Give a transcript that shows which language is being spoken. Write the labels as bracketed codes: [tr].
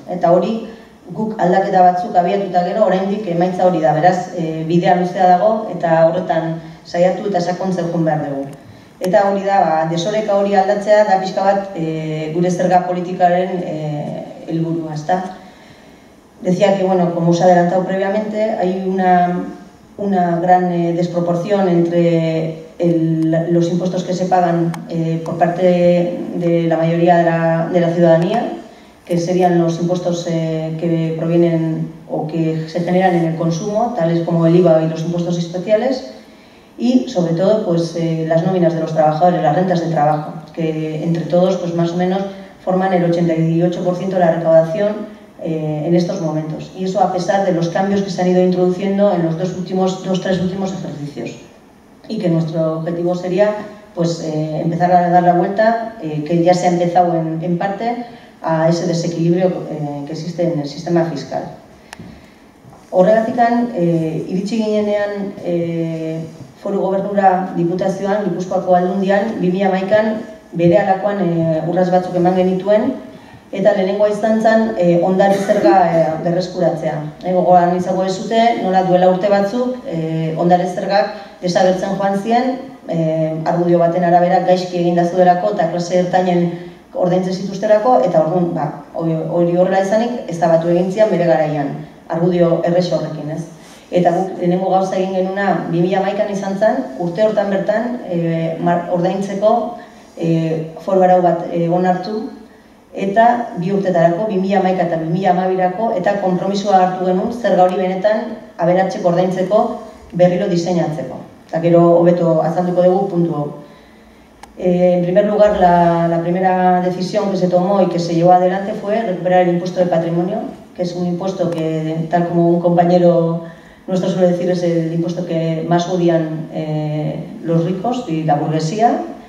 [eu] Eta hori, guk aldaketa batzuk abiatuta gero, oraindik emaitza hori da, beraz, bidea luzea dago, eta horretan saiatu eta sakontzen joan behar dugu. Eta hori da, desoreka hori aldatzea, da pixka bat gure zerga politikaren helburua, ezta. [es] Decía que, bueno, como os he adelantado previamente, hay una gran desproporción entre los impuestos que se pagan por parte de la mayoría de la ciudadanía, que serían los impuestos que provienen o que se generan en el consumo, tales como el IVA y los impuestos especiales, y sobre todo pues las nóminas de los trabajadores, las rentas de trabajo, que entre todos pues más o menos forman el 88% de la recaudación en estos momentos, y eso a pesar de los cambios que se han ido introduciendo en los dos o tres últimos ejercicios, y que nuestro objetivo sería pues empezar a dar la vuelta, que ya se ha empezado en parte, a ese desequilibrio que existe en el sistema fiscal. [eu] Horregatik, iritsi ginenean Foru Gobernura Diputazioan, Gipuzkoako Aldundian, 2011an berehalakoan urrats batzuk eman genituen, eta lehenengoa izan zen ondare zerga berreskuratzea. Gogoan izango duzue, nola duela urte batzuk ondare zergak desagertzen joan ziren, argudio baten arabera gaizki eginda zuelako eta klase ertainen ordaintzen zituzterako, eta orduan, ba, hori horrela izanik, eztabatu egin zian bere garaian, argudio errex horrekin, ez? Eta guk lehenengo gauza egin genuna 2011an izan zen, urte hortan bertan ordaintzeko foru arau bat onartu, eta bi urtetarako, 2011 eta 2012erako, eta konpromisoa hartu genuen zerga hori benetan aberatsek ordaintzeko berriro diseinatzeko. Eta gero hobeto azalduko dugu puntu hau. [es] En primer lugar, la primera decisión que se tomó y que se llevó adelante fue recuperar el impuesto de patrimonio, que es un impuesto que, tal como un compañero nuestro suele decir, es el impuesto que más odian los ricos y la burguesía.